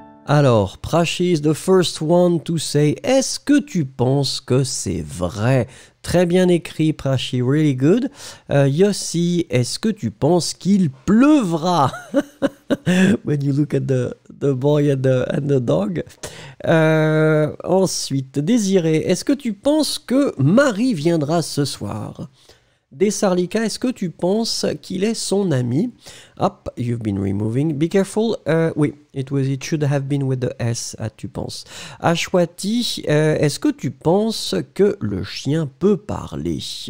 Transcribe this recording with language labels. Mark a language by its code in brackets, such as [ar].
[fr] Alors, Prachi [en] is the first one to say, [fr] est-ce que tu penses que c'est vrai? Très bien écrit, Prachi, [en] really good. [fr] Yossi, est-ce que tu penses qu'il pleuvra? [en] When you look at the boy and the dog. [fr] Ensuite, Désiré, est-ce que tu penses que Marie viendra ce soir? Desarlika, est-ce que tu penses qu'il est son ami? [en] Hop, you've been removing. Be careful. Oui, it should have been with the S, [fr] tu penses. Ashwati, est-ce que tu penses que le chien peut parler?